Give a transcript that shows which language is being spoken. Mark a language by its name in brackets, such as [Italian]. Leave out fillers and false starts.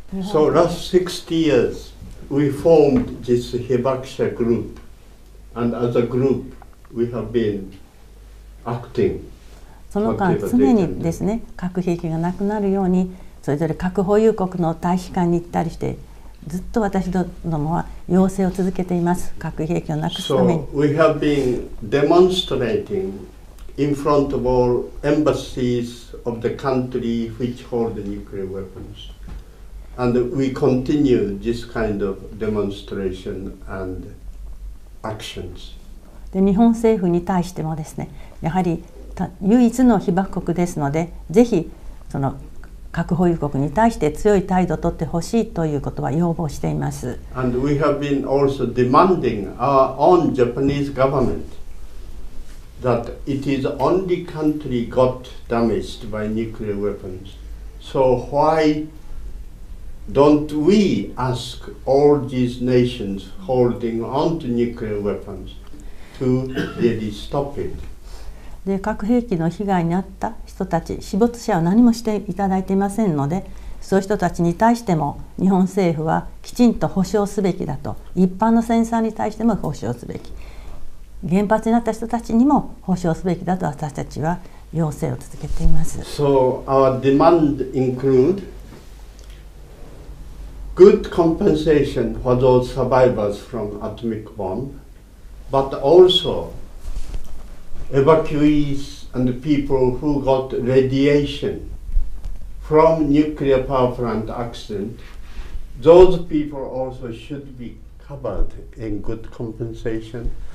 [English] So last 60 years, we formed this Hibakusha group, and as a group, we have been acting. [Japanese] その間常にですね、核兵器がなくなるようにそれぞれ核保有国の大使館に行ったりして、ずっと私どもは要請を続けています、核兵器をなくすために。 [English] So we have been demonstrating in front of all embassies of the country which hold the nuclear weapons, and we continue this kind of demonstration and actions. [Japanese] で、日本政府に対してもですね、やはり唯一の被爆国ですので、ぜひその核保有国に対して強い態度を取ってほしいということは要望しています。 [English] And we have been also demanding our own Japanese government that it is only country got damaged by nuclear weapons, so why don't we ask all these nations holding on to nuclear weapons to really stop it? [Japanese] で、核兵器の被害に遭った人たち、死没者は何もしていただいていませんので、そういう人たちに対しても日本政府はきちんと保障すべきだと、一般の戦争に対しても保障すべき、原発になった人たちにも保障すべきだと、私たちは要請を続けています。 [English] So our demand include good compensation for those survivors from atomic bomb, but also evacuees and the people who got radiation from nuclear power plant accident, those people also should be covered in good compensation.